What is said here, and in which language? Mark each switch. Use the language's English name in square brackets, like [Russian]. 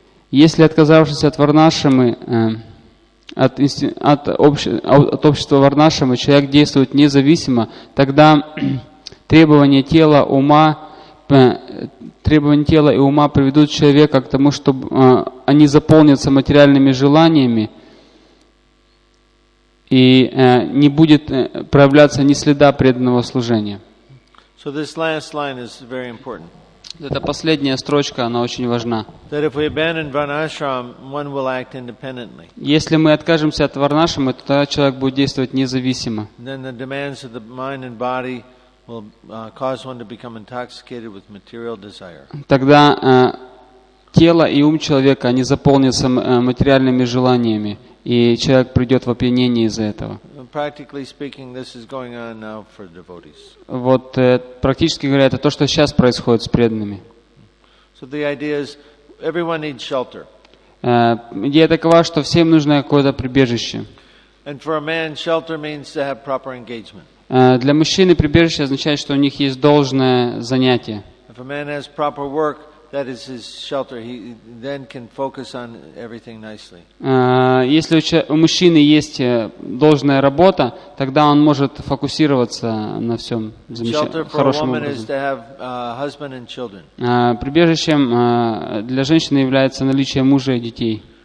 [Russian] Если отказавшись от варнашрамы, от общества варнашрамы, человек действует независимо, тогда требования тела и ума приведут человека к тому, чтобы они заполнятся материальными желаниями, и не будет проявляться ни следа преданного служения. [English] So this last line is very important. [Russian] Эта последняя строчка, она очень важна. [English] That if we abandon varnashram, one will act independently. [Russian] Если мы откажемся от варнашрамы, то тогда человек будет действовать независимо. [English] Then the demands of the mind and body will cause one to become intoxicated with material desire. [Russian] Тогда тело и ум человека, они заполнятся материальными желаниями. и человек придет в опьянение из-за этого. [English] Practically speaking, this is going on now for devotees. [Russian] Вот практически говоря, это то, что сейчас происходит с преданными. [English] So the idea is, everyone needs shelter. [Russian] Идея такова, что всем нужно какое-то прибежище. [English] And for a man, shelter means to have proper engagement. [Russian] Для мужчины прибежище означает, что у них есть должное занятие. [English] If a man has proper work, that is his shelter. He then can focus on everything nicely. [Russian] Если у мужчины есть должная работа, тогда он может фокусироваться на всем хорошем образом. [English] Shelter for a woman is to have a husband and children. [Russian] Прибежищем для женщины является наличие мужа и детей.